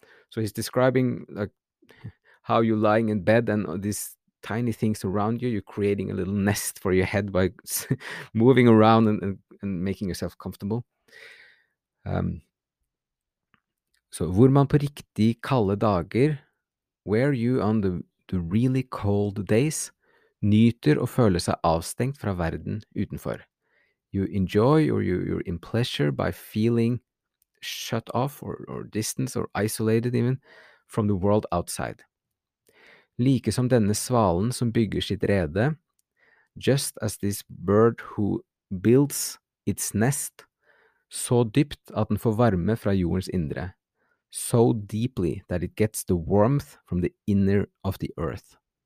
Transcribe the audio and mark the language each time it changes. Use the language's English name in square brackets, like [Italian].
[English] So he's describing like how you're lying in bed and all these tiny things around you, you're creating a little nest for your head by moving around and making yourself comfortable. [Norwegian] Så hvor man på riktig kalde dager, [English] where you on the really cold days, [Norwegian] nyter å føle seg avstengt fra verden utenfor. [English] You enjoy or you're in pleasure by feeling shut off or distance or isolated even from the world outside. [Norwegian] Like som denne svalen som bygger sitt rede, [English] just as this bird who builds its nest, [Norwegian] så dypt at den får varme fra jordens indre, [English] so deeply that it gets the warmth from the inner of the earth.